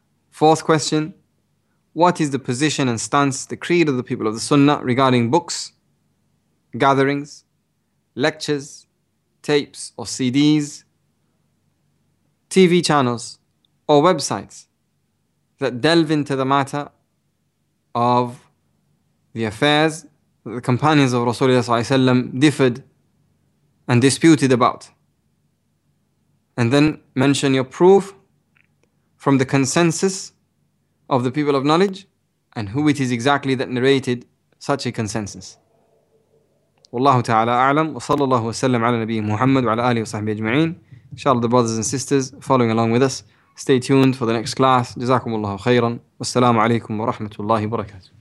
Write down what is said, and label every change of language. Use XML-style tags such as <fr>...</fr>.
<en>Fourth question: what is the position and stance, the creed of the people of the Sunnah regarding books, gatherings, lectures, tapes or CDs, TV channels or websites that delve into the matter of the affairs that the companions of Rasulullah ﷺ differed and disputed about? And then mention your proof from the consensus of the people of knowledge and who it is exactly that narrated such a consensus.</en> <ar>والله تعالى أعلم وصلى الله وسلم على نبيه محمد وعلى آله وصحبه أجمعين.</ar> <en>Inshallah, the brothers and sisters following along with us, stay tuned for the next class.</en> <ar>جزاكم الله خيرا والسلام عليكم ورحمة الله وبركاته.</ar>